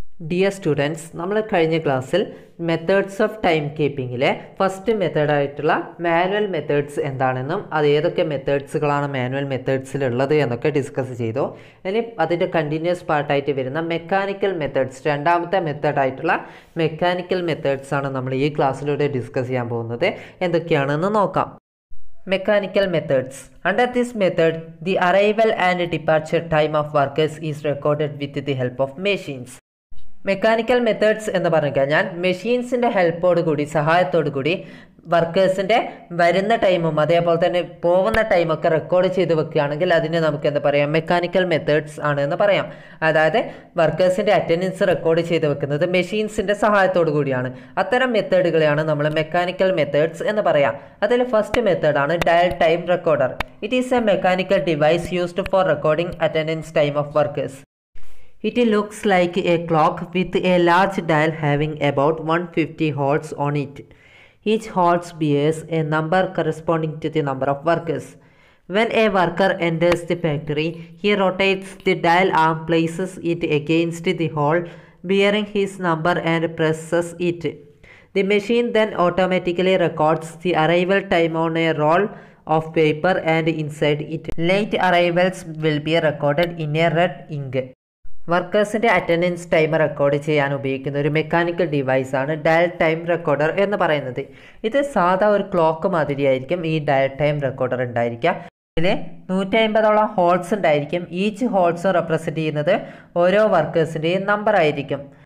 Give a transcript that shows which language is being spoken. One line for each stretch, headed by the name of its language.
English: Dear students,
Malayalam: നമ്മള് കഴിഞ്ഞ ക്ലാസ്സിൽ
English: methods of timekeeping
Malayalam: ലെ first method ആയിട്ടുള്ള manual methods എന്താണെന്നും അത് ഏതൊക്കെ methods കളാണ് manual methods ൽ ഉള്ളത് എന്നൊക്കെ ഡിസ്കസ് ചെയ്തു. ഇനി അതിന്റെ continuous part ആയിട്ട് വരുന്ന mechanical methods രണ്ടാമത്തെ method ആയിട്ടുള്ള mechanical methods ആണ് നമ്മൾ ഈ ക്ലാസ്സിലൂടെ ഡിസ്കസ് ചെയ്യാൻ പോകുന്നത്. എന്തൊക്കെയാണെന്ന് നോക്കാം. Mechanical methods.
English: Under this method, the arrival and departure time of workers is recorded with the help of machines.
Malayalam: Mechanical methods എന്ന് പറഞ്ഞു കഴിഞ്ഞാൽ മെഷീൻസിൻ്റെ ഹെൽപ്പോടുകൂടി സഹായത്തോടുകൂടി വർക്കേഴ്സിൻ്റെ വരുന്ന ടൈമും അതേപോലെ തന്നെ പോകുന്ന ടൈമൊക്കെ റെക്കോർഡ് ചെയ്ത് വെക്കുകയാണെങ്കിൽ അതിനെ നമുക്ക് എന്താ പറയുക, മെക്കാനിക്കൽ മെത്തേഡ്സ് ആണ് എന്ന് പറയാം. അതായത് വർക്കേഴ്സിൻ്റെ അറ്റൻഡൻസ് റെക്കോർഡ് ചെയ്ത് വെക്കുന്നത് മെഷീൻസിൻ്റെ സഹായത്തോടു കൂടിയാണ്. അത്തരം മെത്തേഡുകളെയാണ് നമ്മൾ മെക്കാനിക്കൽ മെത്തേഡ്സ് എന്ന് പറയാം. അതിൽ ഫസ്റ്റ് മെത്തേഡാണ് dial time recorder.
English: It is a mechanical device used for recording attendance time of workers. It looks like a clock with a large dial having about 150 holes on it. Each hole bears a number corresponding to the number of workers. When a worker enters the factory, he rotates the dial arm, places it against the hole bearing his number and presses it. The machine then automatically records the arrival time on a roll of paper and inside it. Late arrivals will be recorded in a red ink.
Malayalam: വർക്കേഴ്സിൻ്റെ attendance time record ചെയ്യാൻ ഉപയോഗിക്കുന്ന ഒരു mechanical ഡിവൈസാണ് dial time recorder എന്ന് പറയുന്നത്. ഇത് സാധാ ഒരു clock മാതിരിയായിരിക്കും ഈ dial time recorder ഉണ്ടായിരിക്കുക. ഇതിന് 150 ഹോൾസ് ഉണ്ടായിരിക്കും. ഈച്ച് ഹോൾസും റെപ്രസെൻ്റ് ചെയ്യുന്നത് ഓരോ വർക്കേഴ്സിൻ്റെയും നമ്പർ ആയിരിക്കും.